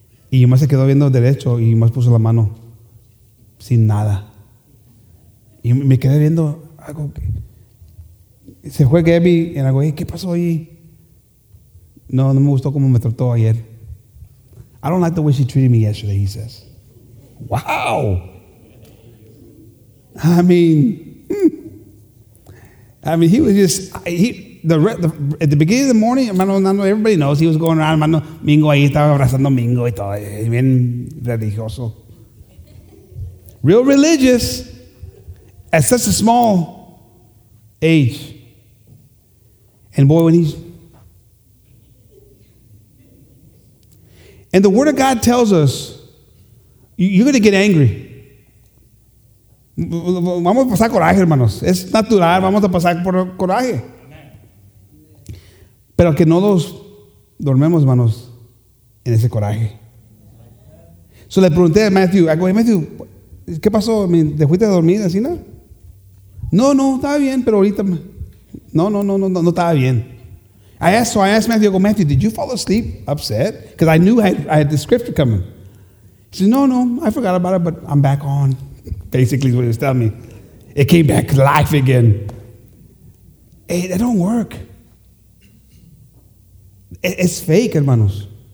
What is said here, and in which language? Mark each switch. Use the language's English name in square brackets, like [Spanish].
[Spanish] Y yo más se quedó viendo derecho y más puso la mano sin nada. Y me quedé viendo algo. Se fue Gabby y le digo, hey, ¿qué pasó ahí? No me gustó cómo me trató ayer. [English] I don't like the way she treated me yesterday, he says. Wow. I mean, he was just... At the beginning of the morning, hermano, everybody knows he was going around, hermano, [Spanish] Mingo ahí estaba abrazando a Mingo y todo, bien religioso. [English] Real religious, at such a small age. And boy, when he's... And the word of God tells us, you're going to get angry. [Spanish] Vamos a pasar coraje, hermanos. Es natural, vamos a pasar por coraje. Pero que no nos dormemos, hermanos, en ese coraje. So le pregunté a Matthew, [English] I go, hey, [Spanish] Matthew, ¿qué pasó? ¿Te fuiste a dormir así, no? No, estaba bien, pero ahorita, no estaba bien. [English] I asked Matthew, I go, Matthew, did you fall asleep upset? Because I knew I had the scripture coming. He said, no, I forgot about it, but I'm back on. Basically, what he was telling me. It came back to life again. Hey, that don't work. It's fake, hermanos.